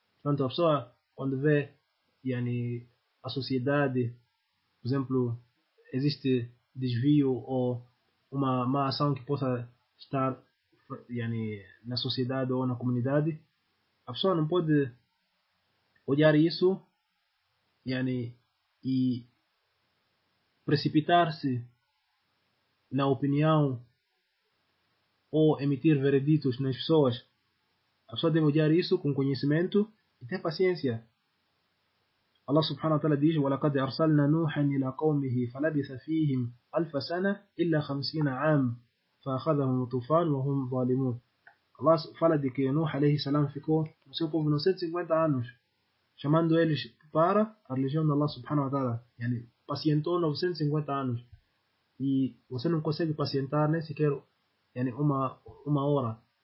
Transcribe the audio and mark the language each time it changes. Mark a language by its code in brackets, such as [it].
[pt] Portanto, a pessoa, quando vê a sociedade, por exemplo, existe desvio ou uma má ação que possa estar na sociedade ou na comunidade, a pessoa não pode olhar isso e precipitar-se na opinião ou emitir vereditos nas pessoas. A pessoa deve olhar isso com conhecimento e ter paciência. [ar] Allah subhanahu wa ta'ala diz: وَلَقَدْ أَرْسَلْنَا نُوحًا إِلَىٰ قَوْمِهِ فَلَبِثَ فِيهِمْ أَلْفَ سَنَةٍ إِلَّا 50 عَامٍ فَأَخَذَهُمُ الطُّوفَانُ وَهُمْ ظَالِمُونَ. [pt] Allah fala de que Nuh alayhi salam ficou no seu povo 950 anos, chamando eles para a religião de Allah subhanahu wa ta'ala. Pacientou 950 anos. E você não consegue pacientar nem sequer uma hora.